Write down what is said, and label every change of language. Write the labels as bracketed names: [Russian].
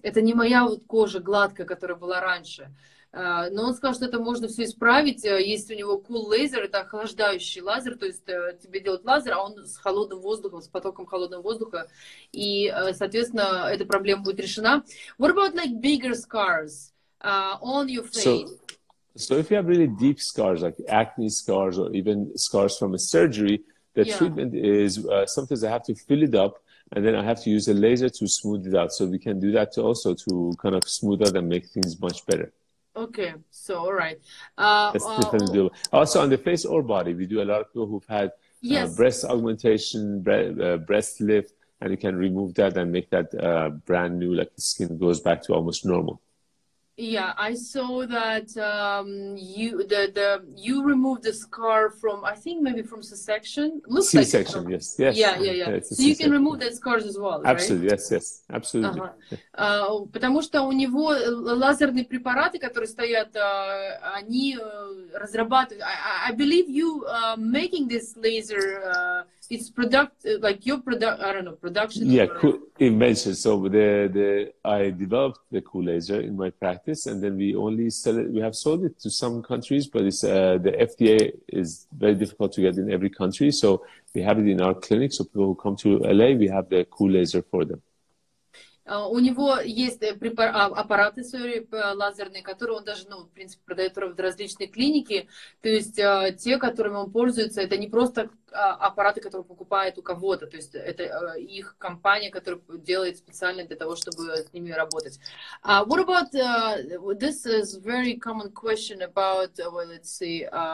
[Russian] Это не моя вот кожа гладкая, которая была раньше. Но он сказал, что это можно все исправить. Есть у него Cool Laser, это охлаждающий лазер, то есть тебе делают лазер, а он с холодным воздухом, с потоком холодного воздуха. И, соответственно, эта проблема будет решена. [English] What about like bigger scars on your face? So if you have really deep scars, like acne scars or even scars from a surgery, the treatment is sometimes I have to fill it up And then I have to use a laser to smooth it out. So we can do that to also to kind of smooth out and make things much better. Okay, so all right. That's definitely doable. Also on the face or body, we do a lot of people who've had breast augmentation, breast lift, and you can remove that and make that brand new, like the skin goes back to almost normal. Yeah, I saw that you removed the scar from, I think maybe from C-section. Looks C-section, like C-section, yes. Yeah. So you can remove that scars as well, right? Absolutely, yes, absolutely. [Russian] Потому что у него лазерные препараты, которые стоят, они разрабатывают. [English] I believe you making this laser, it's product, like your product, I don't know, production. Yeah, cool. Invention. So I developed the cool laser in my practice, and then we only sell it. We have sold it to some countries, but it's the FDA is very difficult to get in every country. So we have it in our clinic. So people who come to LA, we have the cool laser for them. [Russian] У него есть аппараты, лазерные, которые он даже, ну, в принципе, продает в различные клиники. То есть те, которыми он пользуется, это не просто аппараты, которые покупает у кого-то. То есть это их компания, которая делает специально для того, чтобы с ними работать. [English] What about, this is very common question about, well, let's see,